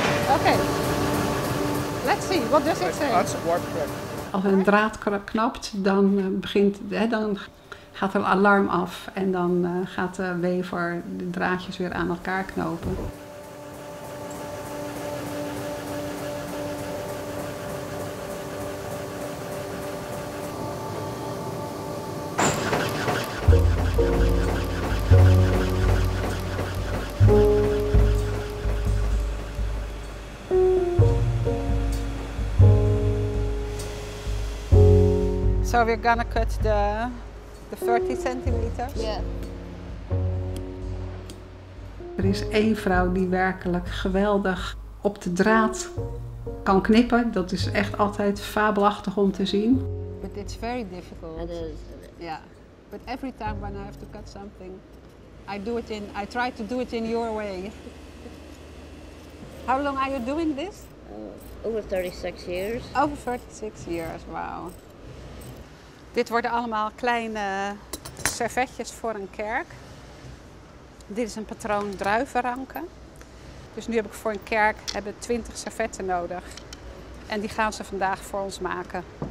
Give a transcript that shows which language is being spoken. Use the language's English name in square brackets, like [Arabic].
[English] Oké, let's see, what does it say? That's a warp crack. [Dutch] Als een draad knapt, dan begint... Gaat er een alarm af en dan gaat de wever de draadjes weer aan elkaar knopen. Oh. [English] So we're gonna cut the 30 centimeters. [Dutch] Er is één vrouw die werkelijk geweldig op de draad kan knippen. Dat is echt altijd fabelachtig om te zien. [English] But it's very difficult. It is. Yeah. But every time when I have to cut something, I try to do it in your way. How long are you doing this? Over 36 years. Over 36 years, wow. [Dutch] Dit worden allemaal kleine servetjes voor een kerk. Dit is een patroon druivenranken. Dus nu heb ik voor een kerk 20 servetten nodig. En die gaan ze vandaag voor ons maken.